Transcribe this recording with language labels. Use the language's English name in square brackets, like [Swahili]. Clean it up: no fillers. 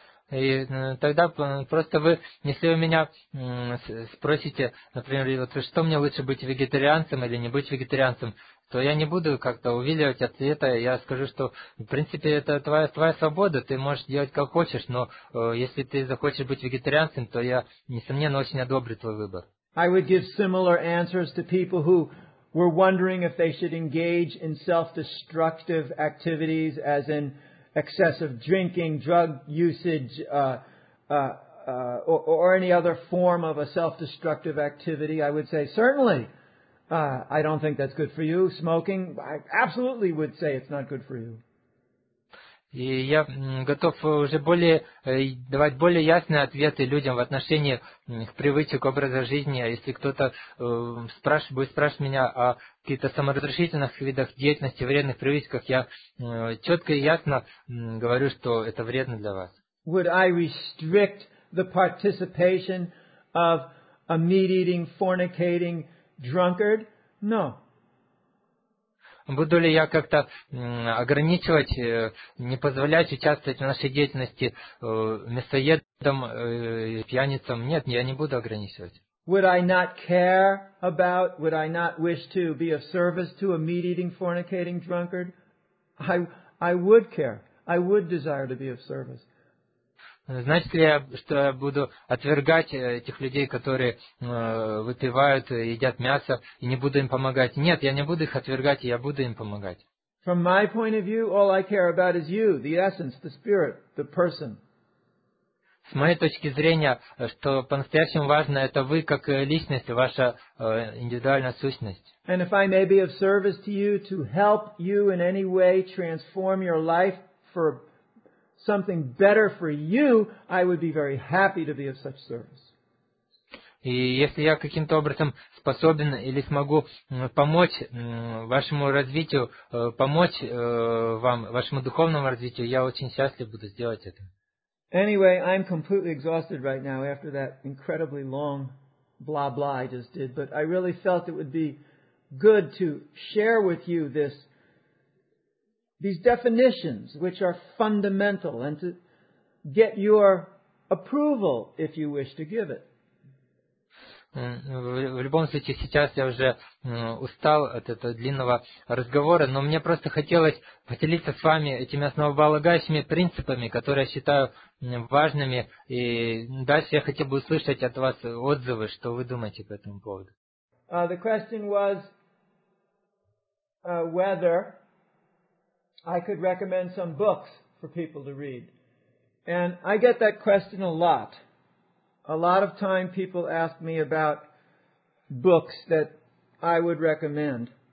[Russian] И тогда просто вы, если вы меня спросите, например, вот что мне лучше, быть вегетарианцем или не быть вегетарианцем, то я не буду как-то увиливать ответа, я скажу, что в принципе это твоя свобода, ты можешь делать как хочешь, но если ты захочешь быть вегетарианцем, то я, несомненно, очень одобрю твой выбор. [English] I would give similar answers to people who were wondering if they should engage in self-destructive activities, as in excessive drinking, drug usage, or any other form of a self-destructive activity. I would say, certainly, I don't think that's good for you. Smoking, I absolutely would say it's not good for you. [Russian] И я готов уже более давать более ясные ответы людям в отношении к привычек образа жизни. Если кто-то будет спрашивать меня о каких-то саморазрушительных видах деятельности, вредных привычках, я четко и ясно говорю, что это вредно для вас. [English] Would I restrict the participation of a meat-eating, fornicating drunkard? No. [Russian] Буду ли я как-то ограничивать, не позволять участвовать в нашей деятельности мясоедам, пьяницам? Нет, я не буду ограничивать. [English] Would I not care about, would I not wish to be of service to a meat-eating, fornicating drunkard? I would care. I would desire to be of service. [Russian] Значит ли я, что я буду отвергать этих людей, которые выпивают, едят мясо, и не буду им помогать? Нет, я не буду их отвергать, я буду им помогать. [English] From my point of view, all I care about is you, the essence, the spirit, the person. [Russian] С моей точки зрения, что по-настоящему важно, это вы как личность, ваша индивидуальная сущность. [English] And if I may be of service to you, to help you in any way transform your life for something better for you, I would be very happy to be of such service. [Russian] И если я каким-то образом способен или смогу помочь вашему развитию, помочь вам, вашему духовному развитию, я очень счастлив буду сделать это. [English] Anyway, I'm completely exhausted right now after that incredibly long blah-blah I just did, but I really felt it would be good to share with you this these definitions, which are fundamental, and to get your approval, if you wish to give it. [Russian] В любом случае, сейчас я уже устал от этого длинного разговора, но мне просто хотелось поделиться с вами этими основополагающими принципами, которые я считаю важными, и дальше я хотел бы услышать от вас отзывы, что вы думаете по этому поводу. [English] The question was whether I could recommend some books for people to read. And I get that question a lot. A lot of time people ask me about books that I would recommend.